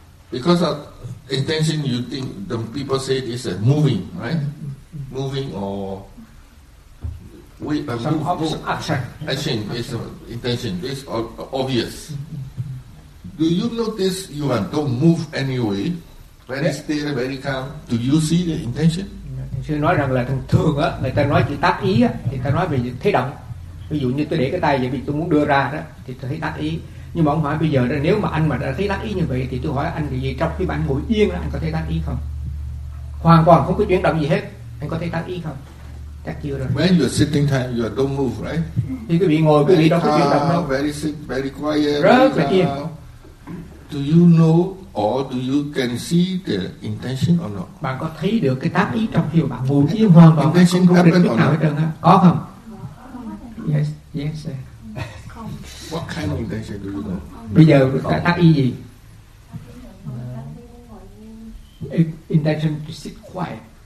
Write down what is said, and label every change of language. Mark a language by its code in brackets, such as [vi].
[en] Because of intention, you think the people say this is moving, right? Moving or wait, some action. Action is intention. This obvious. Do you notice you are don't move anyway? Very still, very calm. Do you see the intention? [vi] Sư nói rằng là thường á, người ta nói chữ tác ý á, thì ta nói về những thế động. Ví dụ như tôi để cái tay vậy vì tôi muốn đưa ra đó thì tôi thấy tác ý. Nhưng mà ông hỏi bây giờ đó, nếu mà anh mà đã thấy tác ý như vậy thì tôi hỏi anh thì gì, trong khi mà anh ngồi yên đó, anh có thấy tác ý không? Hoàn toàn không có chuyển động gì hết, anh có thấy tác ý không? Chắc chưa rồi. [en] When you're sitting time, you don't move, right? [vi] Thì quý vị ngồi, quý vị đâu có chuyển động đâu. [en] Very sick, very quiet. [vi] Rất là yên. [en] Do you know or do you can see the intention or not? [vi] Bạn có thấy được cái tác ý trong khi bạn ngồi yên hoàn toàn không có định thức nào hết trơn á? Có không? [en] Yes, yes, sir. What kind of intention do you know? [vi] Bây giờ ta tác ý gì? [en] Intention to sit quiet.